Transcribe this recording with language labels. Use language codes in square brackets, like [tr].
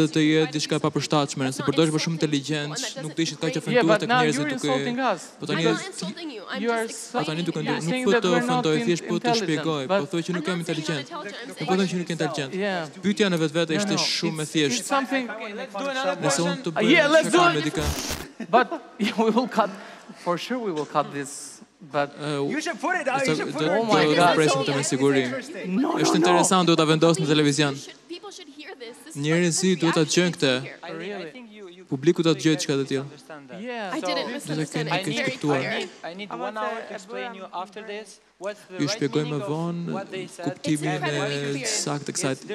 [sq] do të jetë diçka pa përshtatshme, nëse përdorish më shumë inteligjenc, nuk do ishit kaq ofenduar tek njerëzit duke. Po tani [en] you are saying that we're not intelligent. [sq] Nuk po të ofendoj, thjesht po të shpjegoj, po thoj që nuk jam inteligjent. Nuk po them që nuk jam inteligjent. Pyetja në vetvete ishte shumë e thjeshtë. Nëse unë të bëj një shkallë medikale. [en] But we will cut, for sure we will cut this, but... You should put it out, you should put it out. [sq] Interesting, do ta vendos në televizion. [en] People should hear this. [sq] Njerëzi duhet ta dëgjojnë këtë. Publiku ta dëgjojë çka do të thotë. [en] I didn't misunderstand. I need 1 hour to explain you after this. [sq] Ju shpjegoj më vonë kuptimin e saktë të kësaj.